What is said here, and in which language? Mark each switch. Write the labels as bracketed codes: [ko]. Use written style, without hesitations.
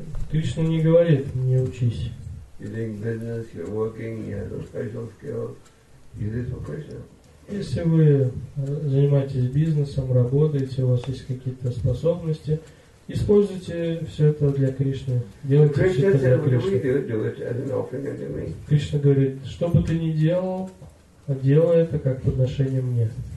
[ru] Кришна не говорит, не учись. [en] You're doing business, you're working, you have those special skills. Is this for Krishna? [ru] Если вы занимаетесь бизнесом, работаете, у вас есть какие-то способности, используйте все это для Кришны. Делайте все это для Кришны. Кришна говорит, что бы ты ни делал, делай это как подношение мне.